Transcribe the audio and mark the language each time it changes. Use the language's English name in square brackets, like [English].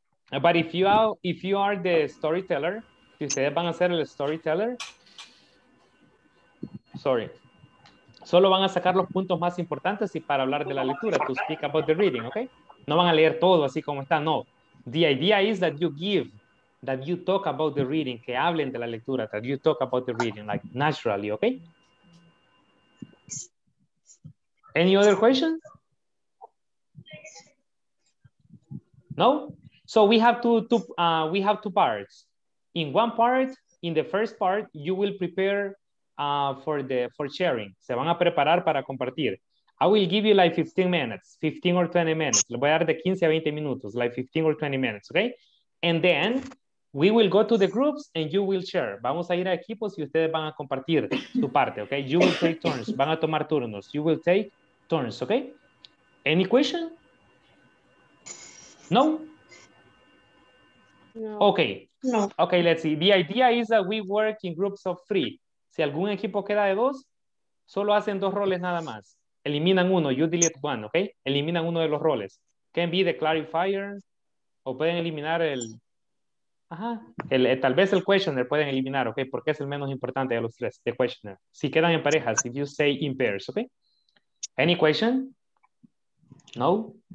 [English] But if you are the storyteller, [Spanish] si ustedes van a ser el storyteller, sorry, solo van a sacar los puntos más importantes y para hablar de la lectura, [English] to speak about the reading, [Spanish] ¿ok? No van a leer todo así como está, no. [English] The idea is that you give, that you talk about the reading, [Spanish] que hablen de la lectura, [English] that you talk about the reading, like, naturally, okay? Any other questions? No? So we have two parts. In one part, in the first part, you will prepare for sharing. [Spanish] Se van a preparar para compartir. [English] I will give you like 15 minutes, 15 or 20 minutes. [Spanish] Le voy a dar de 15 a 20 minutos, [English] like 15 or 20 minutes, okay? And then, we will go to the groups and you will share. [Spanish] Vamos a ir a equipos y ustedes van a compartir su parte, okay? [English] You will take turns. [Spanish] Van a tomar turnos. [English] You will take turns, okay? Any question? No? No. Okay. No. Okay, let's see. The idea is that we work in groups of 3. [Spanish] Si algún equipo queda de 2, solo hacen 2 roles nada más. Eliminan uno. [English] You delete one, okay? [Spanish] Eliminan uno de los roles. [English] Can be the clarifier. [Spanish] O pueden eliminar el... Ajá, tal vez el questioner pueden eliminar, ¿ok? Porque es el menos importante de los 3, the questioner. Si quedan en parejas, [English] if you stay in pairs, [Spanish] ¿ok? [English] Any question? [Spanish] No?